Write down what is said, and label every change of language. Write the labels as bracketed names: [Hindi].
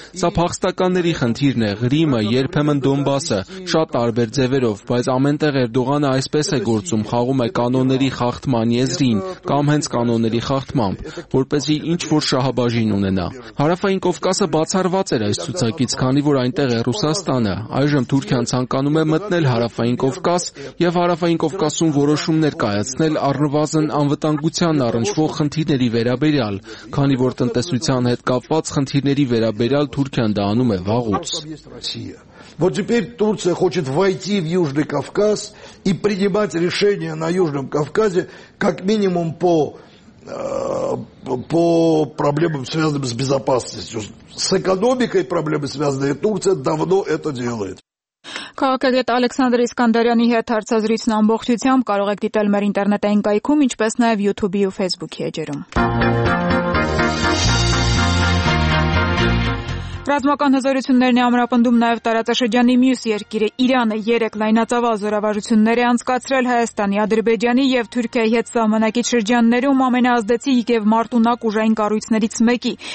[Armenian] սա փախստականների խնդիրն է, Ղրիմը, երբեմն Դոնբասը, շատ տարբեր ձևերով, բայց ամենտեղ Էրդողանը այսպես է գործում, խաղում է կանոնների խախտման եզրին, կամ հենց կանոնների խախտմամբ, որպեսզի ինչ որ շահաբաժին ունենա։ Հարավային Կովկասը բացառված էր այս ցուցակից, քանի որ այնտեղ է Ռուսաստանը։ Այժմ Թուրքիան ցանկանում է մտնել Հարավային Կովկաս և Հարավային Կովկասում որոշումներ կայացնել առնվազն անվտանգության առնչվող խնդիրների վերաբերյալ, քանի որ տնտեսության հետ կապված խնդիրների վերաբերյալ Թուրքիան դա անում է վաղուց։ [Russian] Вот теперь Турция хочет войти в Южный Кавказ и принимать решения на Южном Кавказе как минимум по проблемам, связанным с безопасностью. С экономикой проблемы связаны, и Турция давно это делает. [Armenian] Քաղաքագետ Ալեքսանդր Իսկանդարյանի հետ հարցազրույցն ամբողջությամբ կարող եք դիտել մեր ինտերնետային կայքում, ինչպես նաև YouTube-ի ու Facebook-ի էջերում։ Ռազմական հզորություններն ամրապնդում նաև տարածաշրջանի մյուս երկիրը՝ Իրանը, 3 լայնածավալ զորավարություններ անցկացրել Հայաստանի, Ադրբեջանի և Թուրքիայի հետ սահմանակից շրջաններում ամենաազդեցիկ և մարտունակ ուժային կառույցներից մեկի՝